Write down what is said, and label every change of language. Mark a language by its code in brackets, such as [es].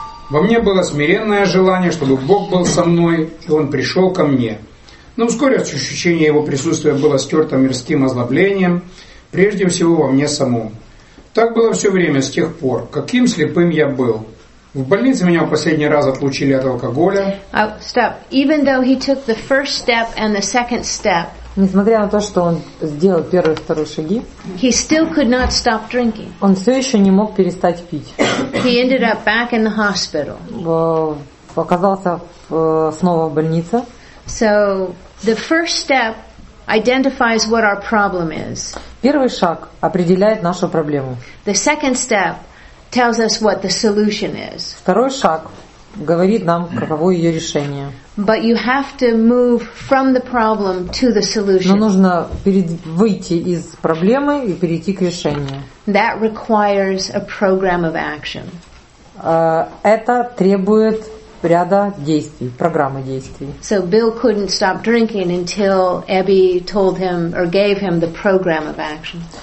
[ru] Во мне было смиренное желание, чтобы Бог был со мной, и Он пришел ко мне. Но вскоре ощущение Его присутствия было стерто мирским озлоблением, прежде всего во мне самом. Так было все время, с тех пор, каким слепым я был. В больнице меня в последний раз отлучили от алкоголя. Стоп. [en] Even though he took the first step and the second step, [ru] несмотря на то, что он сделал первые и вторые шаги, [en] he still could not stop drinking. [ru] Он все еще не мог перестать пить. [en] He ended up back in the hospital. [ru] Оказался снова в больнице. [en] So the first step identifies what our problem is. [ru] Первый шаг определяет нашу проблему. [en] The second step tells us what the solution is. [ru] Второй шаг говорит нам, каково ее решение. [en] But you have to move from the problem to the solution. [ru] Но нужно выйти из проблемы и перейти к решению. [en] That requires a program of action. [ru] Это требует ряда действий, программы действий. [en] So Bill couldn't stop drinking until Abby told him or gave him the program of action.